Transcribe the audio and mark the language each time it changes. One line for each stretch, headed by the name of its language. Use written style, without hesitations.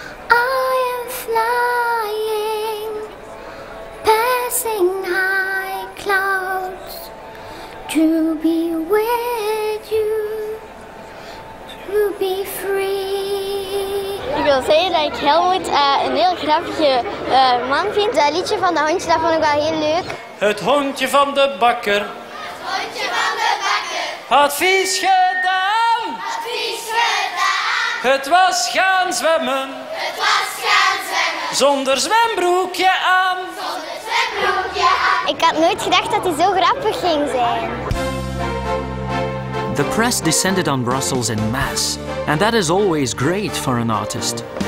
English: I am flying, passing high clouds to be with you, to be free.
Dutch: Ik wil zeggen dat ik Helmut een heel grappige man vind. Dat liedje van dat hondje, dat vond ik wel heel leuk. Het hondje van de bakker. Had vies gedaan. Had vies gedaan. Het was gaan zwemmen. Het was gaan zwemmen. Zonder zwembroekje aan. Zonder zwembroekje aan. Ik had nooit gedacht dat hij zo grappig ging zijn.
English: The press descended on Brussels en masse. And that is always great for an artist.